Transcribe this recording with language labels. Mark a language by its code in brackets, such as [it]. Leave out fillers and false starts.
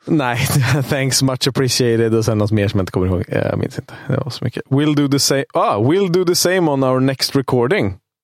[sv] Nej, [en] thanks, much appreciated. [sv] Och sen något mer som jag inte kommer ihåg. Jag minns inte, det var så mycket. [en] We'll do the same, we'll do the same on our next recording.